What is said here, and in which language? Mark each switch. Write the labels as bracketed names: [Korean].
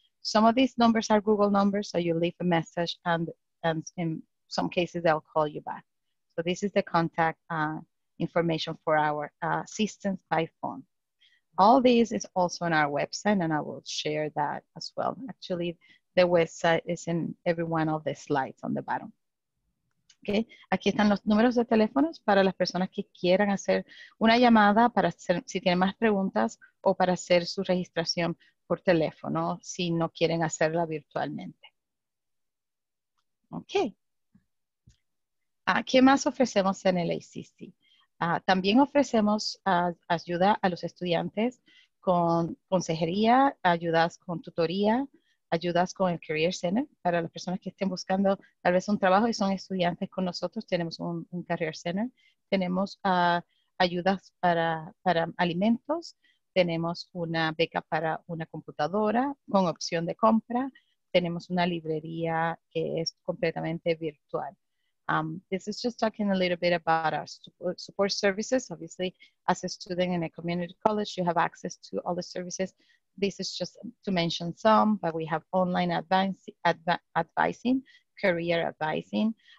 [English] Some of these numbers are Google numbers, so you leave a message and in some cases they'll call you back. So this is the contact information for our assistants by phone. All these is also on our website, and I will share that as well. Actually, the website is in every one of the slides on the bottom. [Spanish] Okay, aquí están los números de teléfonos para las personas que quieran hacer una llamada para hacer, si tienen más preguntas o para hacer su registración por teléfono si no quieren hacerla virtualmente. Okay. ¿Qué más ofrecemos en el ACC? También ofrecemos ayuda a los estudiantes con consejería, ayudas con tutoría, ayudas con el Career Center. Para las personas que estén buscando tal vez un trabajo y son estudiantes con nosotros, tenemos un Career Center. Tenemos ayudas para alimentos, tenemos una beca para una computadora con opción de compra, tenemos una librería que es completamente virtual. [English] This is just talking a little bit about our support services. Obviously, as a student in a community college, you have access to all the services this is just to mention some, but we have online advising, career advising.